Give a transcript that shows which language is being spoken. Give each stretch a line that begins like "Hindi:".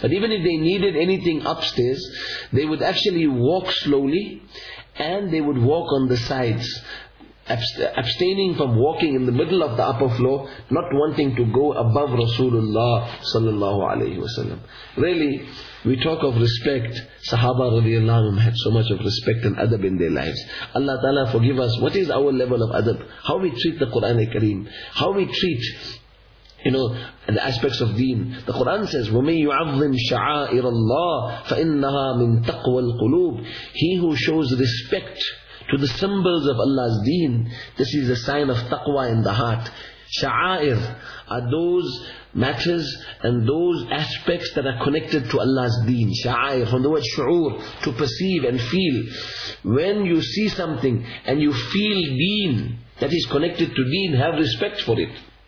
English: But even if they needed anything upstairs, they would actually walk slowly, and they would walk on the sides, abstaining from walking in the middle of the upper floor, not wanting to go above Rasulullah sallallahu alayhi wasallam. Really, we talk of respect. Sahaba radiallahu anhum had so much of respect and adab in their lives. Allah Ta'ala forgive us. What is our level of adab? How we treat the Quran al-Kareem? How we treat, you know, the aspects of deen? The Quran says,
Arabic: وَمَنْ يُعَظِّمْ شَعَائِرَ اللَّهِ فَإِنَّهَا مِنْ تَقْوَى الْقُلُوبِ.
English: He who shows respect to the symbols of Allah's deen, this is a sign of taqwa in the heart. Sha'air are those matters and those aspects that are connected to Allah's deen. Sha'air, from the word shu'ur, to perceive and feel. When you see something and you feel deen, that is connected to deen, have respect for it.